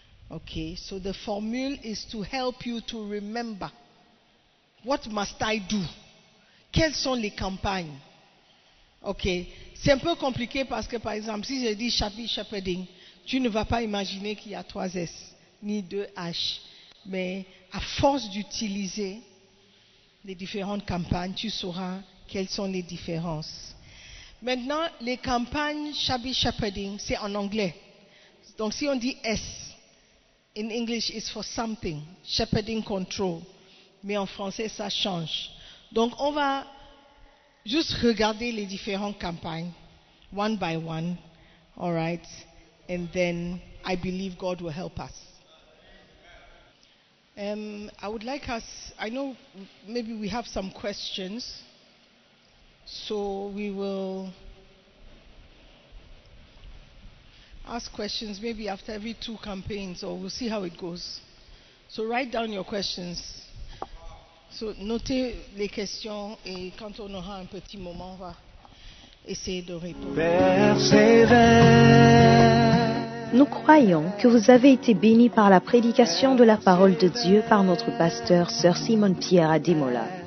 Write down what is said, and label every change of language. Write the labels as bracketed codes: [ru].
[en] Ok, so the formula is to help you to remember. What must I do? [fr] Quelles sont les campagnes? Ok, c'est un peu compliqué parce que par exemple, si je dis shepherding, tu ne vas pas imaginer qu'il y a 3 S, ni 2 H. Mais à force d'utiliser les différentes campagnes, tu sauras quelles sont les différences. Maintenant, les campagnes shepherding, c'est en anglais. Donc si on dit S, [en] in English it's for something, shepherding control. [fr] Mais en français, ça change. Donc, on va juste regarder les différentes campagnes, [en] one by one, all right? And then, I believe God will help us. I would like us, I know maybe we have some questions, so we will ask questions maybe after every 2 campaigns, or we'll see how it goes. So write down your questions. [fr] So, notez les questions et quand on aura un petit moment, on va essayer de répondre. Nous croyons que vous avez été bénis par la prédication de la parole de Dieu par notre pasteur, Sœur Simone Pierre Ademola.